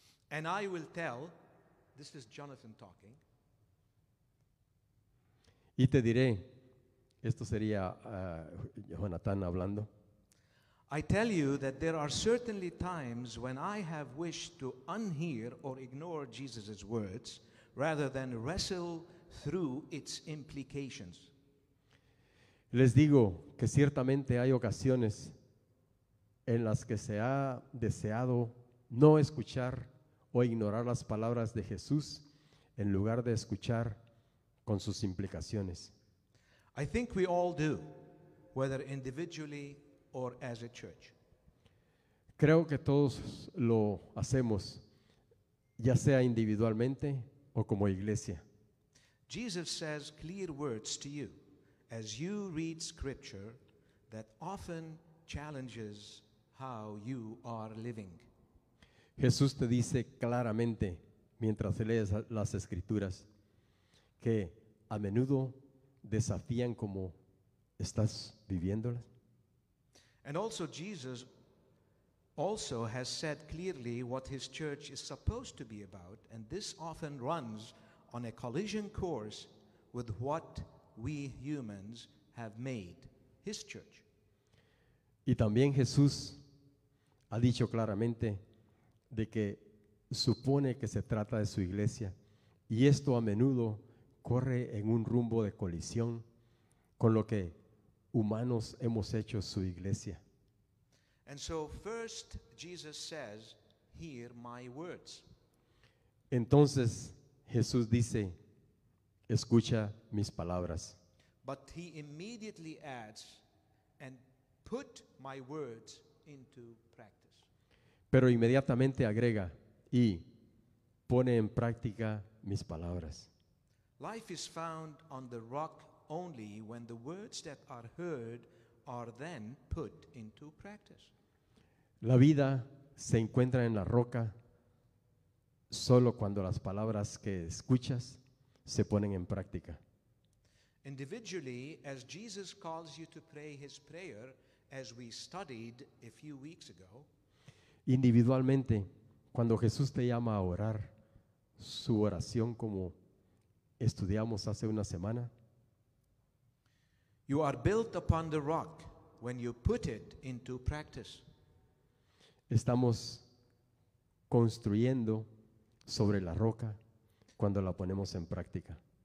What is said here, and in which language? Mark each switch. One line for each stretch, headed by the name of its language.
English: And I will tell, this is Jonathan talking.
Spanish: Y te diré, esto sería Jonathan hablando.
English: I tell you that there are certainly times when I have wished to unhear or ignore Jesus' words rather than wrestle through its implications.
Spanish: Les digo que ciertamente hay ocasiones en las que se ha deseado no escuchar o ignorar las palabras de Jesús en lugar de escuchar con sus implicaciones.
English: I think we all do, whether individually or as a church.
Spanish: Creo que todos lo hacemos, ya sea individualmente o como iglesia.
English: Jesus says clear words to you as you read scripture that often challenges how you are living.
Spanish: Jesús te dice claramente mientras lees las escrituras que a menudo desafían como estás viviéndolas.
English: And also Jesus also has said clearly what his church is supposed to be about, and this often runs on a collision course with what we humans have made his church.
Spanish: Y también Jesús ha dicho claramente de que supone que se trata de su iglesia, y esto a menudo corre en un rumbo de colisión con lo que humanos hemos hecho su iglesia.
English: And so first Jesus says, hear my words.
Spanish: Entonces Jesús dice, escucha mis palabras.
English: But he immediately adds, and put my words into practice.
Spanish: Pero inmediatamente agrega y pone en práctica mis palabras.
English: Life is found on the rock only when the words that are heard are then put into practice.
Spanish: La vida se encuentra en la roca solo cuando las palabras que escuchas se ponen en práctica.
English: Individually, as Jesus calls you to pray his prayer, as we studied a few weeks ago.
Spanish: Individualmente, cuando Jesús te llama a orar, su oración como estudiamos hace una semana.
English: You are built upon the rock when you put it into practice.
Spanish: Estamos construyendo sobre la roca cuando la ponemos en práctica.